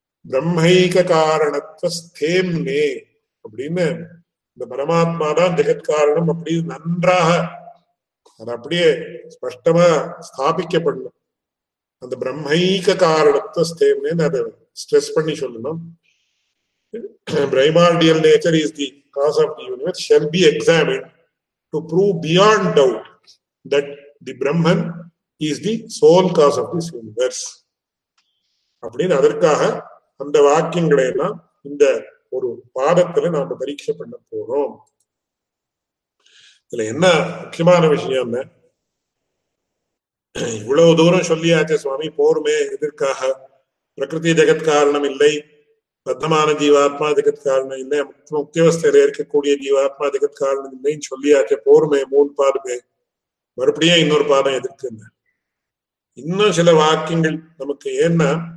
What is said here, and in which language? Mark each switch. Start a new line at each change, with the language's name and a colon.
Tamil: பிரம்மைக காரணத்தேம்னே அப்படின்னு இந்த பரமாத்மா தான் ஜெகத் காரணம் அப்படின்னு நன்றாக அது அப்படியே ஸ்பஷ்டமா ஸ்தாபிக்கப்படணும். அந்த பிரம்மைக காரணத்தை ஸ்தேவனு அதை ஸ்ட்ரெஸ் பண்ணி சொல்லணும்.
English: Primordial nature is the cause of the universe shall be examined to prove beyond doubt that the Brahman is the sole cause of this universe.
Tamil: அப்படின்னு அதற்காக அந்த வாக்கியங்களை எல்லாம் இந்த ஒரு பாதத்துல நாம பரீட்சை பண்ண போறோம். இதுல என்ன முக்கியமான விஷயம் என்ன, இவ்வளவு தூரம் சொல்லியாச்சு சுவாமி போருமே, எதற்காக பிரகிருதி ஜெகத் காரணம் இல்லை, பத்தமான ஜீவாத்மா ஜெகத் காரணம் இல்லை, முக்கியவஸ்தையில இருக்கக்கூடிய ஜீவாத்மா ஜெகத் காரணம் இல்லைன்னு சொல்லியாச்சு போருமே, மூணு பாதமே, மறுபடியும் இன்னொரு பாதம் எதிர்க்கு என்ன, இன்னும் சில வாக்கியங்கள் நமக்கு என்ன.